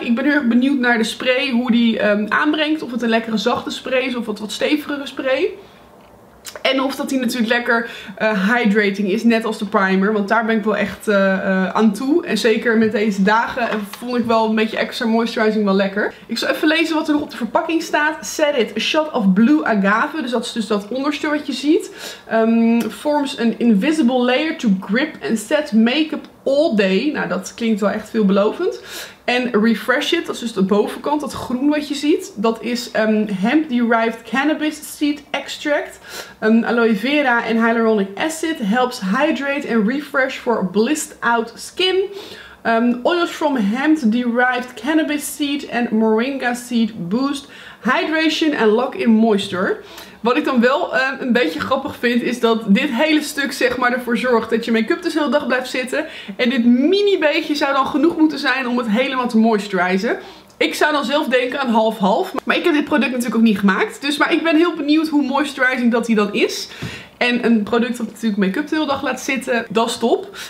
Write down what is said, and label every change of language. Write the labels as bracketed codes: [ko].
[nl] Ik ben heel erg benieuwd naar de spray. Hoe die aanbrengt. Of het een lekkere zachte spray is. Of wat stevigere spray. En of dat die natuurlijk lekker hydrating is, net als de primer. Want daar ben ik wel echt aan toe. En zeker met deze dagen vond ik wel een beetje extra moisturizing wel lekker. Ik zal even lezen wat er nog op de verpakking staat. Set it, a shot of blue agave. Dus dat is dus dat onderste wat je ziet. [en] Forms an invisible layer to grip and set makeup all day. [nl] Nou, dat klinkt wel echt veelbelovend. En refresh it, dat is dus de bovenkant, dat groen wat je ziet. Dat is hemp-derived cannabis seed extract. [en] Aloe vera en hyaluronic acid helps hydrate and refresh for blissed out skin. Oils from hemp-derived cannabis seed and moringa seed boost hydration and lock in moisture. [nl] Wat ik dan wel een beetje grappig vind, is dat dit hele stuk zeg maar ervoor zorgt dat je make-up dus de hele dag blijft zitten. En dit mini beetje zou dan genoeg moeten zijn om het helemaal te moisturizen. Ik zou dan zelf denken aan half-half. Maar ik heb dit product natuurlijk ook niet gemaakt. Dus maar ik ben heel benieuwd hoe moisturizing dat hij dan is. En een product dat natuurlijk make-up de hele dag laat zitten, dat is top.